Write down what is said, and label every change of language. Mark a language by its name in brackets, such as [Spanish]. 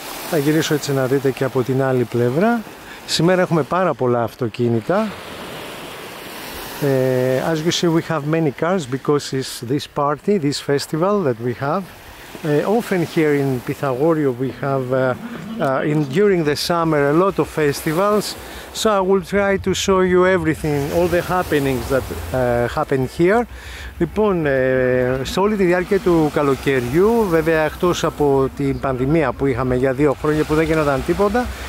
[Greek] Θα γυρίσω έτσι να δείτε και από την άλλη πλευρά. Σήμερα έχουμε πάρα πολλά αυτοκίνητα. [English] As you see, we have many cars because it's this party, this festival that we have. Often here in Pythagorio we have during the summer a lot of festivals. So I will try to show you everything, all the happenings that happen here. [Greek] Λοιπόν, σε όλη τη διάρκεια του καλοκαιριού, βέβαια εκτός από την πανδημία που είχαμε για 2 χρόνια που δεν γίνονταν τίποτα,